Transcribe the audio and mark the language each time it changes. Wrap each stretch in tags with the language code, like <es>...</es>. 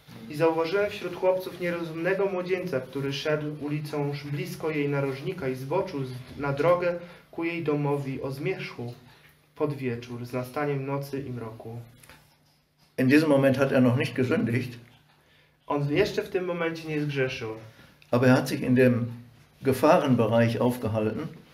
<pl>I zauważyłem wśród chłopców nierozumnego młodzieńca, który szedł ulicą blisko jej narożnika i zboczył na drogę ku jej domowi o zmierzchu pod wieczór, z nastaniem nocy i mroku.</pl> <de>In diesem Moment hat er noch nicht gesündigt.</de> <pl>On jeszcze w tym momencie nie zgrzeszył.</pl> <de>Aber er hat sich in dem Gefahrenbereich aufgehalten.</de>